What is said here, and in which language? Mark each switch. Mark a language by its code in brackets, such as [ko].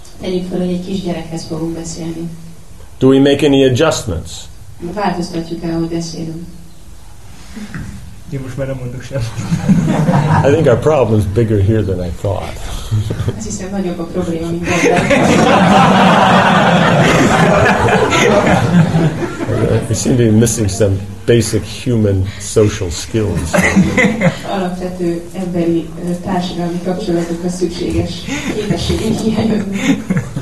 [hu] Tegyük fel, hogy egy kisgyerekhez fogunk beszélni. [en] Do we make any adjustments? [hu] Változtatjuk el, ahogy beszélünk. Én most már nem mondok sem. [en] I think our problem is bigger here than I thought. [hu] Azt hiszem, nagyobb a probléma, mint gondoltam. [en] We seem to be missing some basic human social skills. [hu] Alapvető emberi társadalmi kapcsolatokra szükséges képességünk hiányoznak.